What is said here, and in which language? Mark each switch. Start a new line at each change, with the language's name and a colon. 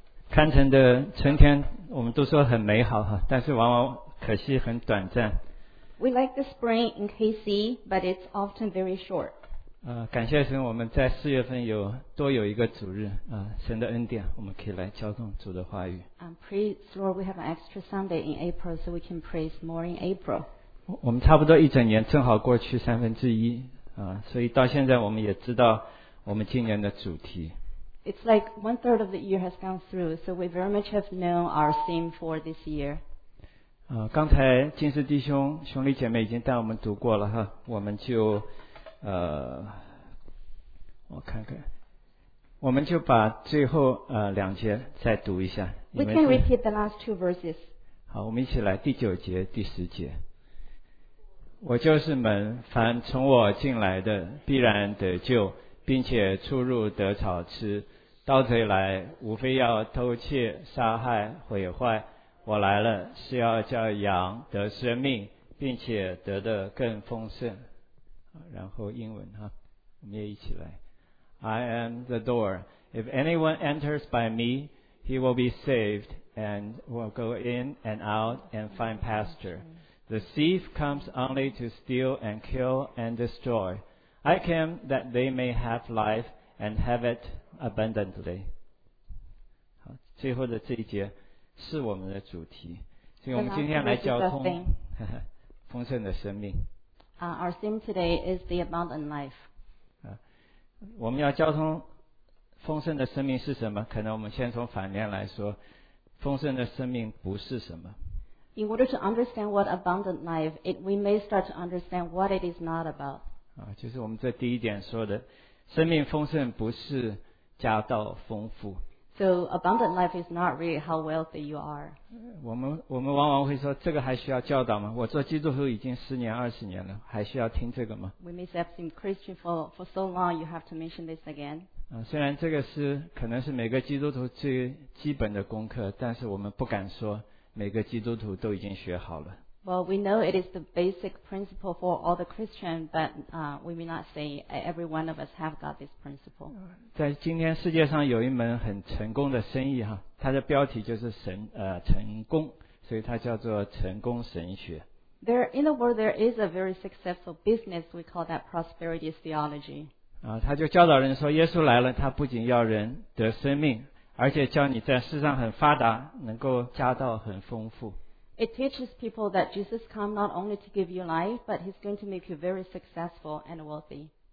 Chinese: 堪城的春天，我们都说很美好哈，但是往往可惜很短暂。
English: We like the spring in KC, but it's often very short。
Chinese: 感谢神，我们在四月份有多有一个主日啊，神的恩典，我们可以来交通主的话语。
English: Praise Lord, we have an extra Sunday in April, so we can praise more in April。
Chinese: 我们差不多一整年正好过去三分之一啊，所以到现在我们也知道。我们今年的主题
English: It's like one third of the year has gone through, so we very much have known our theme for this year.
Chinese: 刚才金氏弟兄、兄弟姐妹已经带我们读过了哈，我们就我看看，我们就把最后两节再读一下。
English: We can repeat the last two verses.
Chinese: 好，我们一起来第九节、第十节。我就是门，凡从我进来的必然得救。并且出入得草吃，盗贼来，无非要偷窃、杀害、毁坏。我来了，是要叫羊得生命，并且得的更丰盛。然后英文哈，我们也一起来。
English: I am the door. If anyone enters by me, he will be saved and will go in and out and find pasture. The thief comes only to steal and kill and destroy. I came that they may have life and have it abundantly.
Chinese: 好，最后的这一节是我们的主题，所以我们今天来交通丰盛的生命。
English: Our theme today is the abundant life.
Chinese: 我们要交通丰盛的生命是什么？可能我们先从反面来说，丰盛的生命不是什么。
English: In order to understand what abundant life, we may start to understand what it is not about.
Chinese: 就是我们这第一点说的，生命丰盛不是家道丰富。
English: So abundant life is not really how wealthy you are.
Chinese: 我们往往会说，这个还需要教导吗？我做基督徒已经十年、二十年了，还需要听这个吗
English: ？We may have been Christian for so long, you have to mention this again.
Chinese: 虽然这个是可能是每个基督徒最基本的功课，但是我们不敢说每个基督徒都已经学好了。
English: Well, we know it is the basic principle for all the Christians, but we may not say every one of us have got this principle.
Chinese: 在今天世界上有一门很成功的生意哈，它的标题就是神成功，所以它叫做成功神学。
English: There in the world there is a very successful business we call that prosperity theology.
Chinese: 他就教导人说，耶稣来了，他不仅要人得生命，而且叫你在世上很发达，能够家道很丰富。
English: It teaches people that Jesus came not only to give you life, but He's going to make you very successful and wealthy.